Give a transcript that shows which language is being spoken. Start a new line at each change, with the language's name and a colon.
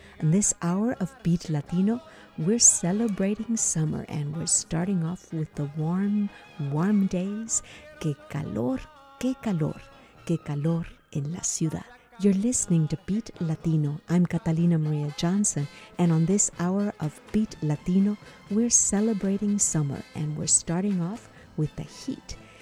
English: In this hour of Beat Latino, we're celebrating summer and we're starting off with the warm, warm days.
Spanish: Qué calor, qué calor, qué calor en la ciudad.
English: You're listening to Beat Latino. I'm Catalina Maria Johnson, and on this hour of Beat Latino, we're celebrating summer and we're starting off with the heat.